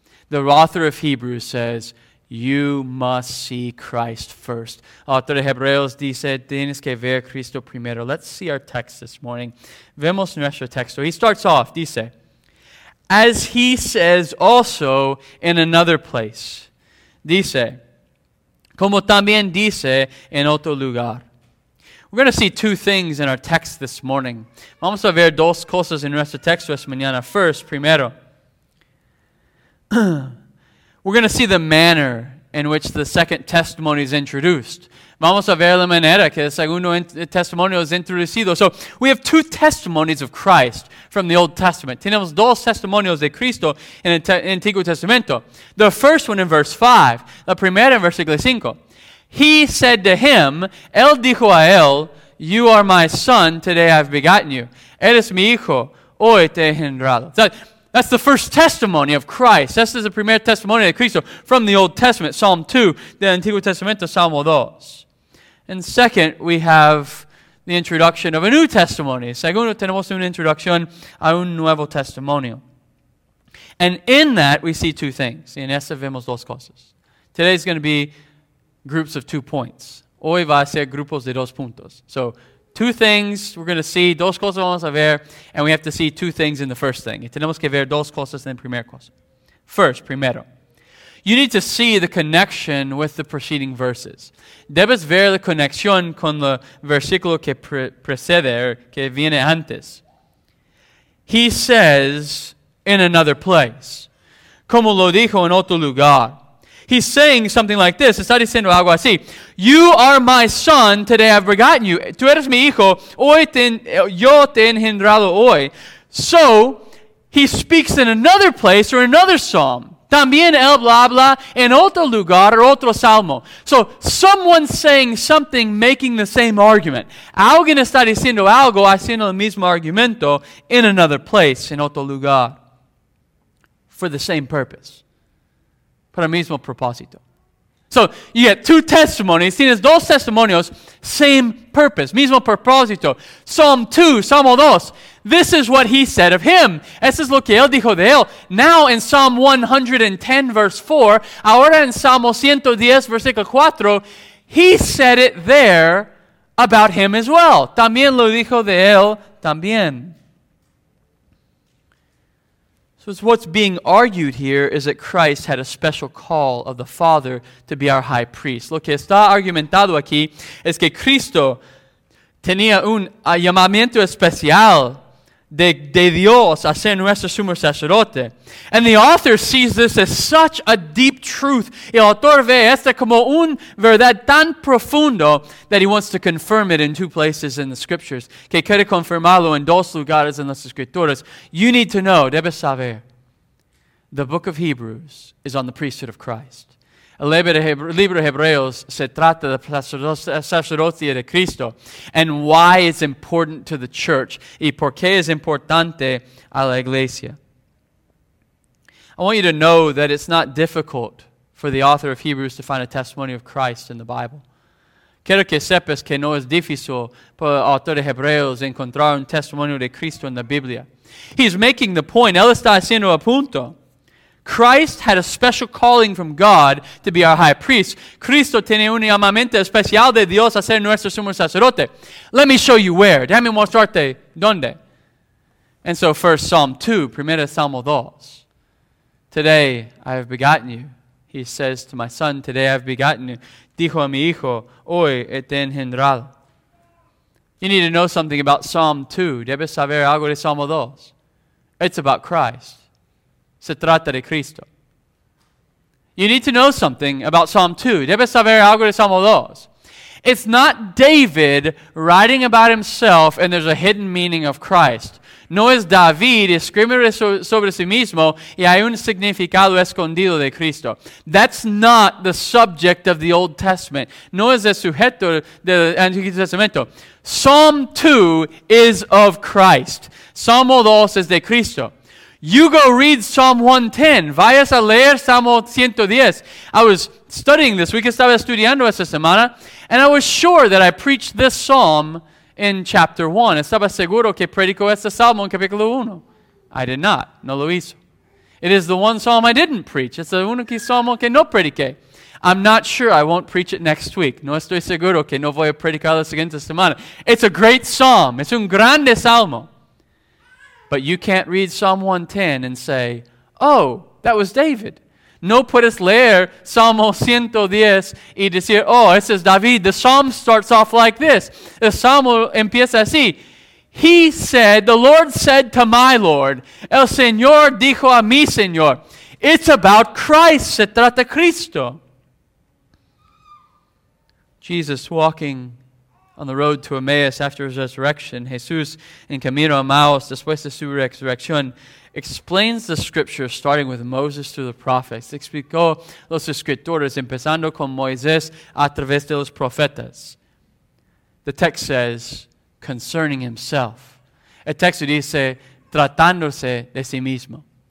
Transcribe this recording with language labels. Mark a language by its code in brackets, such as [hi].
[en] The author of Hebrews says, you must see Christ first. [es] Autor de Hebreos dice, tienes que ver Cristo primero. [en] Let's see our text this morning. [es] Vemos nuestro texto. [en] He starts off, [es] dice, [en] as he says also in another place. [es] Dice, como también dice en otro lugar. [en] We're going to see two things in our text this morning. [es] Vamos a ver dos cosas en nuestro texto esta mañana. [en] First, [es] primero, [en] we're going to see the manner in which the second testimony is introduced. [es] Vamos a ver la manera que el segundo testimonio es introducido. [en] So, we have two testimonies of Christ from the Old Testament. [es] Tenemos dos testimonios de Cristo en el Antiguo Testamento. [en] The first one in verse 5, [es] la primera en versículo 5. [en] He said to him, [es] él dijo a él, [en] you are my son, today I've begotten you. [es] Eres mi hijo, hoy te he engendrado. [en] So, that's the first testimony of Christ. This is the [es] primer testimonio de Cristo [en] from the Old Testament, Psalm 2, the [es] Antiguo Testamento, Salmo 2. [en] And second, we have the introduction of a new testimony. [es] Segundo, tenemos una introducción a un nuevo testimonio. [en] And in that, we see two things. [es] Y en eso vemos dos cosas. [en] Today's going to be groups of 2 points. [es] Hoy va a ser grupos de 2 puntos. [en] So, two things we're going to see, [es] dos cosas vamos a ver, [en] and we have to see two things in the first thing. [es] Y tenemos que ver dos cosas en la primera cosa. [en] First, [es] primero. [en] You need to see the connection with the preceding verses. [es] Debes ver la conexión con el versículo que precede, que viene antes. [en] He says in another place. [es] Como lo dijo en otro lugar. [en] He's saying something like this. [es] Está diciendo algo así. [en] You are my son, today I've begotten you. [es] Tú eres mi hijo, yo te he engendrado hoy. [en] So, he speaks in another place or another psalm. [es] También él habla en otro lugar o otro salmo. [en] So, someone saying something, making the same argument. [es] Alguien está diciendo algo, haciendo el mismo argumento, [en] in another place, [es] en otro lugar. [en] For the same purpose. [es] Para el mismo propósito. [en] So, you get two testimonies. [es] Tienes dos testimonios. [en] Same purpose. [es] Mismo propósito. [en] Psalm 2, Psalm 2. This is what he said of him. [es] Eso es lo que él dijo de él. [en] Now, in Psalm 110, verse 4. [es] Ahora, en Psalm 110, versículo 4. [en] He said it there about him as well. [es] También lo dijo de él también. [en] So what's being argued here is that Christ had a special call of the Father to be our high priest. [es] Lo que está argumentado aquí es que Cristo tenía un llamamiento especial de Dios a ser nuestro sumo sacerdote. [en] And the author sees this as such a deep truth. [es] El autor ve esta como un verdad tan profundo [en] that he wants to confirm it in 2 places in the scriptures. [es] Que quiere confirmarlo en 2 lugares en las escrituras. [en] You need to know, [es] debes saber, [en] the book of Hebrews is on the priesthood of Christ. [es] El libro de Hebreos se trata de sacerdocia de Cristo. [en] And why it's important to the church. [es] Y por qué es importante a la iglesia. [en] I want you to know that it's not difficult for the author of Hebrews to find a testimony of Christ in the Bible. [es] Quiero que sepas que no es difícil para el autor de Hebreos encontrar un testimonio de Cristo en la Biblia. He's making the point. Él está haciendo a punto. [en] Christ had a special calling from God to be our high priest. [es] Cristo tiene un llamamiento especial de Dios a ser nuestro sumo sacerdote. [en] Let me show you where. [es] Déjame mostrarte dónde. [en] And so first Psalm 2, [es] primero Salmo 2. [en] Today I have begotten you. He says to my son, today I have begotten you. [es] Dijo a mi hijo, hoy he te engendrado. [en] You need to know something about Psalm 2. [es] Debes saber algo de Salmo 2. [en] It's about Christ. [es] Se trata de Cristo. [en] You need to know something about Psalm 2. [es] Debes saber algo de Salmo 2. [en] It's not David writing about himself and there's a hidden meaning of Christ. [es] No es David escribiendo sobre sí mismo y hay un significado escondido de Cristo. [en] That's not the subject of the Old Testament. [es] No es el sujeto del Antiguo Testamento. [en] Psalm 2 is of Christ. [es] Salmo 2 es de Cristo. [en] You go read Psalm 110. [es] Vayas a leer Salmo 110. [en] I was studying this week. [es] Estaba estudiando esta semana. [en] And I was sure that I preached this psalm in chapter 1. [es] Estaba seguro que predico este salmo en capítulo 1. [en] I did not. No lo hizo. It is the one psalm I didn't preach. [es] Es el único salmo que no prediqué. [en] I'm not sure I won't preach it next week. [es] No estoy seguro que no voy a predicar la siguiente semana. [en] It's a great psalm. [es] Es un grande salmo. [en] But you can't read Psalm 110 and say, oh, that was David. [es] No puedes leer Psalm 110 y decir, [en] oh, this is David. The psalm starts off like this. The psalm [es] empieza así. [en] He said, the Lord said to my Lord, [es] el Señor dijo a mi Señor. [en] It's about Christ. [es] Se trata Cristo. [en] Jesus walking on the road to Emmaus after his resurrection, [es] Jesús en camino a Emmaus después de su resurrección, [en] explains the scriptures starting with Moses through the prophets. [es] Explicó los escritores empezando con Moisés a través de los profetas. [en] The text says, concerning himself. [es] El texto dice, tratándose de sí mismo.